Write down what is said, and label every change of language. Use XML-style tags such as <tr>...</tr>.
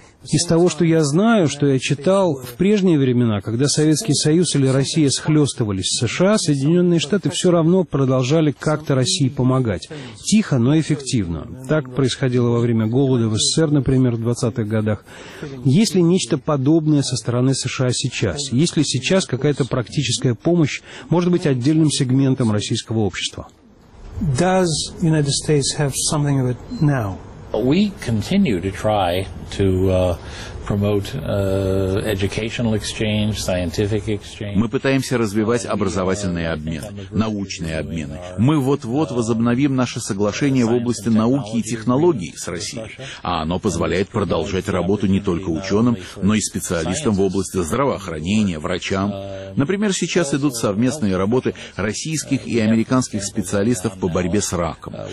<ru>Из того, что я знаю, что я читал, в прежние времена, когда Советский Союз или Россия схлестывались с США, Соединенные Штаты все равно продолжали как-то России помогать. Тихо, но эффективно. Так происходило во время голода в СССР, например, в 20-х годах. Есть ли нечто подобное со стороны США сейчас? Есть ли сейчас какая-то практическая помощь, может быть, отдельным сегментом российского общества?</ru> <en>Does United States have something of it now? We continue to try to promote educational exchange, scientific exchange.</en> <ru>Мы пытаемся развивать образовательный обмен, научные обмены. Мы вот-вот возобновим наше соглашение в области науки и технологий с Россией, а оно позволяет продолжать работу не только ученым, но и специалистам в области здравоохранения, врачам. Например, сейчас идут совместные работы российских и американских специалистов по борьбе с раком.</ru>